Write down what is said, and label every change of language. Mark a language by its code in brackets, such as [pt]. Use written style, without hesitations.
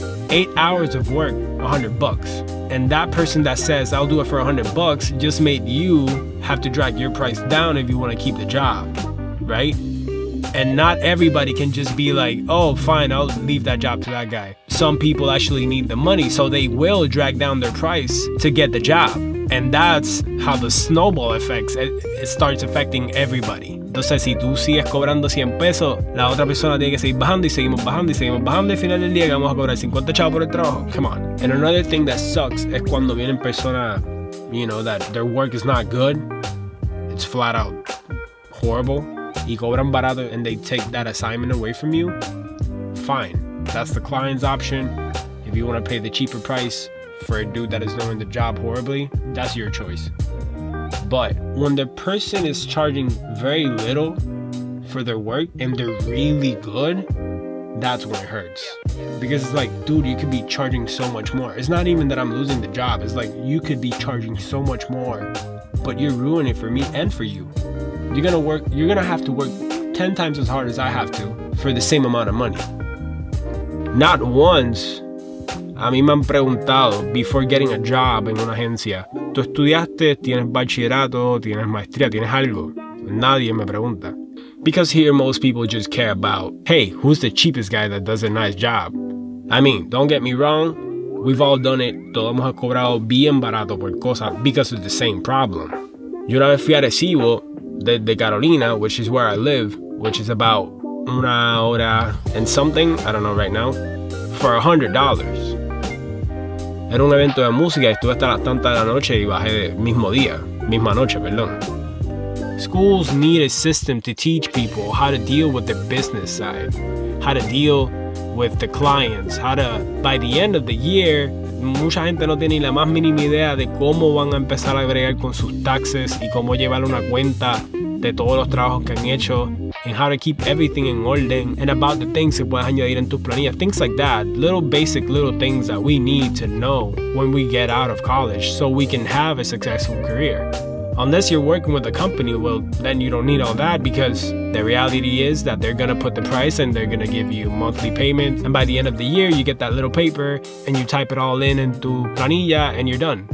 [en] 8 hours of work, 100 bucks. And that person that says, I'll do it for 100 bucks, just made you have to drag your price down if you want to keep the job, right? And not everybody can just be like, oh, fine, I'll leave that job to that guy. Some people actually need the money, so they will drag down their price to get the job. And that's how the snowball effects, it starts affecting everybody. [es] Entonces, si tú sigues cobrando 100 pesos, la otra persona tiene que seguir bajando y seguimos bajando y seguimos bajando y al final del día vamos a cobrar 50 chavos por el trabajo. [en] Come on. And another thing that sucks [es] es cuando vienen personas, [en] you know, that their work is not good. It's flat out horrible. [es] Y cobran barato [en] and they take that assignment away from you. Fine. That's the client's option. If you want to pay the cheaper price for a dude that is doing the job horribly, that's your choice. But when the person is charging very little for their work and they're really good, that's when it hurts. Because it's like, dude, you could be charging so much more. It's not even that I'm losing the job. It's like, you could be charging so much more, but you're ruining it for me and for you. You're gonna have to work 10 times as hard as I have to for the same amount of money. Not once. [es] A mí me han preguntado, [en] before getting a job [es] en una agencia, ¿tú estudiaste? ¿Tienes bachillerato? ¿Tienes maestría? ¿Tienes algo? Nadie me pregunta. [en] Because here most people just care about, hey, who's the cheapest guy that does a nice job? I mean, don't get me wrong, we've all done it, [es] todos hemos cobrado bien barato por cosas, [en] because of the same problem. [es] Yo una vez fui a Arecibo, de Carolina, [en] which is where I live, which is about [es] una hora [en] and something, I don't know right now, for $100. [es] Era un evento de música y estuve hasta las tantas de la noche y bajé el mismo día, misma noche, perdón. [en] Schools need a system to teach people how to deal with the business side, how to deal with the clients, how to, by the end of the year, [es] mucha gente no tiene ni la más mínima idea de cómo van a empezar a agregar con sus taxes y cómo llevar una cuenta de todos los trabajos que han hecho. [en] And how to keep everything in order and about the things that [es] puedes añadir en tus planillas, [en] things like that, little basic little things that we need to know when we get out of college so we can have a successful career. Unless you're working with a company, well, then you don't need all that, because the reality is that they're gonna put the price and they're gonna give you monthly payments, and by the end of the year you get that little paper and you type it all in tu planilla and you're done.